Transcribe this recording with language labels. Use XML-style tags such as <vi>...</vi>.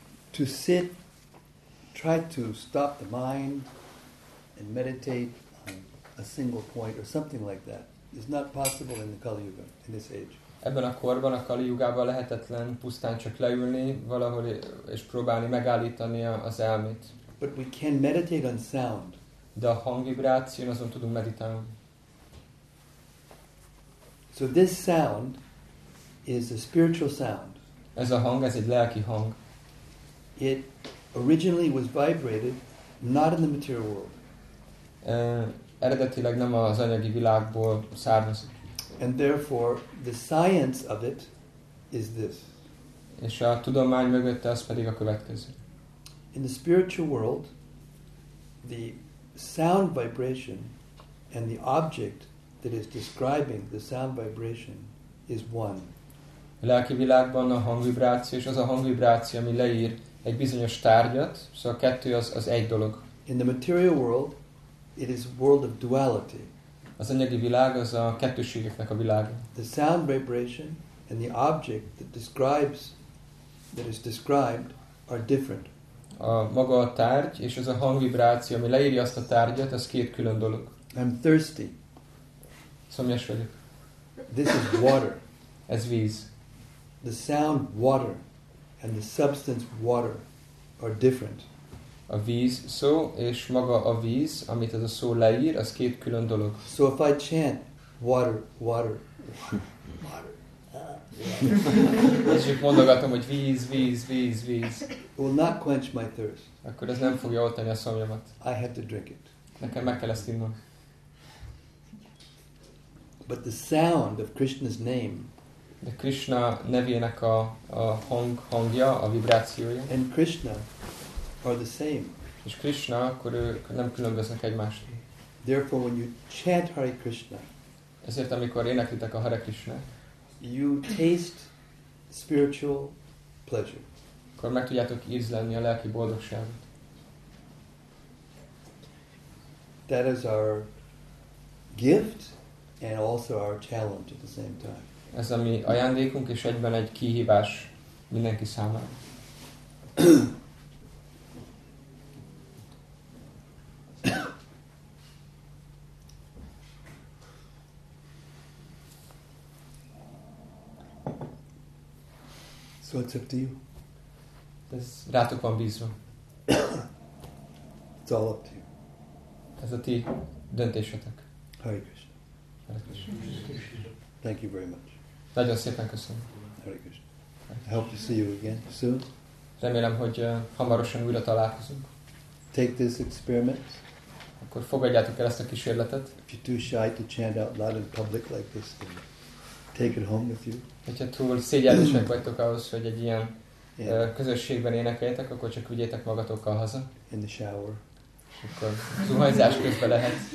<en>To sit, try to stop the mind and meditate on a single point or something like that is not possible in the Kali Yuga, in this age.</en> <hu>Ebben a korban, a Kali Yugában lehetetlen pusztán csak leülni valahol és próbálni megállítani az elmét.</hu> <en>But we can meditate on sound.</en> <hu>De a hangvibráción azon tudunk meditálni.</hu> <en>So this sound is a spiritual sound.</en> <hu>Ez a hang, ez egy lelki hang.</hu> <en>It originally was vibrated not in the material world.</en> <hu>Eredetileg nem az anyagi világból származik.</hu> <en>And therefore the science of it is this.</en> <hu>És a tudomány mögötte az pedig a következő.</hu> <en>In the spiritual world, the sound vibration and the object that is describing the sound vibration is one.</en> <hu>A lelki világban a hangvibráció és az a hangvibráció, ami leír egy bizonyos tárgyat, szóval a kettő az egy dolog.</hu> <en>In the material world, it is world of duality.</en> <hu>Az anyagi világ az a kettőségeknek a világa.</hu> <en>The sound vibration and the object that is described are different.</en> <hu>A maga a tárgy és az a hangvibráció, ami leírja azt a tárgyat, az két külön dolog.</hu> <en>I'm thirsty.</en> <hu>Szomjas vagyok.</hu> <en>This is water.</en> <hu>Ez víz.</hu> <en>The sound water and the substance water are different.</en> <hu>A víz szó és maga a víz, amit ez a szó leír, az két külön dolog.</hu> <en>So if I chant water, water, water, water.</en> <hu>Most mondogatom, hogy víz, víz, víz, víz.</hu> <en>It will not quench my thirst.</en> <hu>Akkor ez nem fogja oltani a szomjamat.</hu> <en>I have to drink it.</en> <hu>Nekem meg kell ezt innom.</hu> <en>But the sound of Krishna's name.</en> <hu>De Krishna nevének a hangja, a vibrációja.</hu> <en>And Krishna are the same.</en> <hu>És Krishna, akkor ők nem különböznek egymástól.</hu> <en>Therefore, when you chant Hare Krishna,</en> <hu>ezért amikor éneklitek a Hare Krishna,</hu> <en>you taste spiritual pleasure.</en> <hu>Akkor meg tudjátok ízlelni a lelki boldogságot.</hu> <en>That is our gift and also our challenge at the same time.</en> <hu>Ez a mi ajándékunk és egyben egy kihívás mindenki számára.</hu> <en>So it's up to you.</en> <hu>Ez rátok van bízva.</hu> <en>It's all up to you.</en> <hu>Ez a ti döntésetek.</hu> <en>Hare Krishna. Thank you very much.</en> <hu>Nagyon szépen köszönöm.</hu> <en>Hare Krishna. I hope to see you again soon.</en> <hu>Remélem, hogy hamarosan újra találkozunk.</hu> <en>Take this experiment.</en> <hu>Akkor fogadjátok el ezt a kísérletet.</hu> <en>If you're too shy to chant out loud in public like this, then take it home with you.</en> <hu>Hogyha túl szégyellősek vagytok ahhoz, hogy egy ilyen közösségben énekeljetek, akkor csak vigyétek magatokkal haza.</hu> <en>In the shower.</en> <hu>Akkor zuhanyzás közben lehet.</hu>